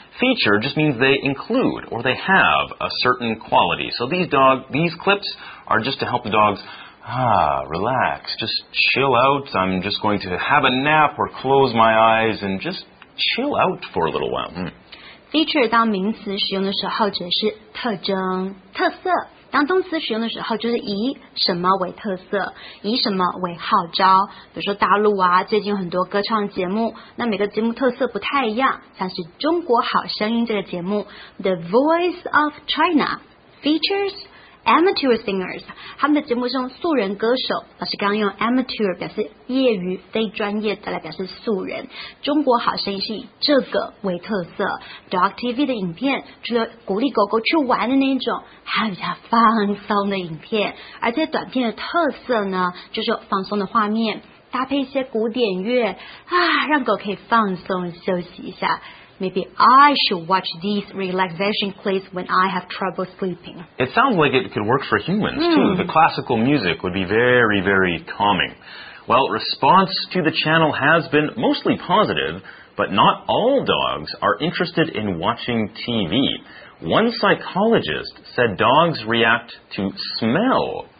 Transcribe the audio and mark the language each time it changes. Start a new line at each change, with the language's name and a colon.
English: Feature just means they include or they have a certain quality. So these clips are just to help the dogs relax, just chill out. I'm just going to have a nap or close my eyes and just chill out for a little while.
Chinese: Feature 当名词使用的时候指的是特征、特色。当动词使用的时候就是以什么为特色，以什么为号召。比如说大陆啊，最近有很多歌唱节目，那每个节目特色不太一样，像是中国好声音这个节目 The Voice of China Features Amateur Singers，他们的节目是用素人歌手，老师刚刚用 Amateur 表示业余非专业的来表示素人。中国好声音是以这个为特色。Dog TV 的影片除了鼓励狗狗去玩的那种，还有比较放松的影片，而这些短片的特色呢，就是有放松的画面搭配一些古典乐啊，让狗可以放松休息一下。
English: Maybe I should watch these relaxation clips when I have trouble sleeping. It sounds like it could work for humans, too. The classical music would be very, very calming. Well, response to the channel has been mostly positive, but not all dogs are interested in watching TV. One psychologist said dogs react to smell